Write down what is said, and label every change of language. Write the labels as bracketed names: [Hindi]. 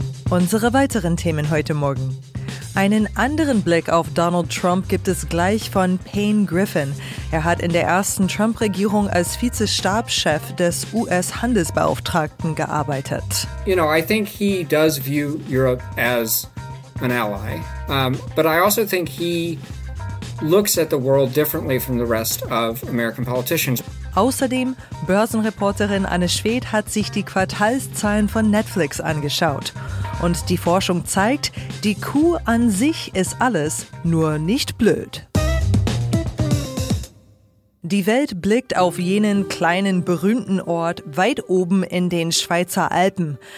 [German] Unsere weiteren Themen heute Morgen. Einen anderen Blick auf Donald Trump gibt es gleich von Payne Griffin. Er hat in der ersten Trump-Regierung als Vizestabschef des US-Handelsbeauftragten gearbeitet. [English] You know, I think he does view Europe as an ally. But I also think he looks at the world differently from the rest of American politicians. [German] Außerdem, Börsenreporterin Anne Schwedt hat sich die Quartalszahlen von Netflix angeschaut. Und die Forschung zeigt, die Kuh an sich ist alles, nur nicht blöd. Die Welt blickt auf jenen kleinen berühmten Ort weit oben in den Schweizer Alpen.